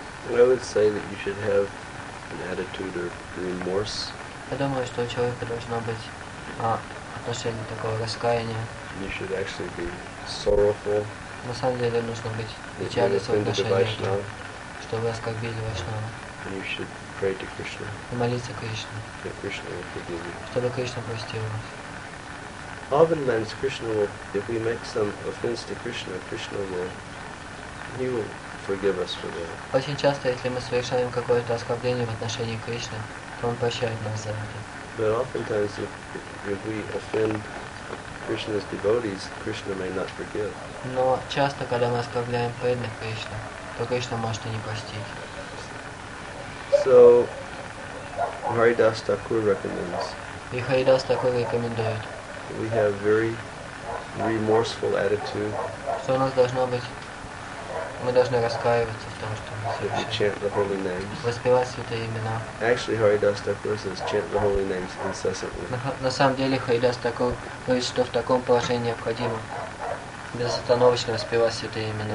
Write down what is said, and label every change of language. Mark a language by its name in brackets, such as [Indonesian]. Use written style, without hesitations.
[English] I would say that you should have an attitude of remorse. [Russian] Я думаю, что у человека должно быть отношение такого раскаяния. [English] You should actually be sorrowful. [Russian] На самом деле нужно быть печальным отношением, чтобы оскорбили Вайшнава. [English] And you should pray to Krishna. [Russian] И молиться Кришне. [English] That Krishna will forgive you. [Russian] Чтобы Кришна простил вас. [English] Oftentimes Krishna will, if we make some offense to Krishna, Krishna will, he will forgive us for that. [Russian] Очень часто, если мы совершаем какое-то оскорбление в отношении Кришны, то он прощает нас за это. [English] But oftentimes if we offend Krishna's devotees, Krishna may not forgive. [Russian] Но часто, когда мы оскорбляем преданных Кришны, то Кришна может и не простить. [English] So, Haridas Thakur recommends. [Russian] И Haridas Thakur рекомендует. [English] We have very remorseful attitude. [Russian] Что у нас должно быть? Мы должны раскаиваться в том, что мы совершили. [English] Chant the holy names. [Russian] Воспевать святые имена. [English] Actually, Haridas Thakur says, chant the holy names incessantly. [Russian] На самом деле, Haridas Thakur говорит, что в таком положении необходимо безостановочно воспевать святые имена.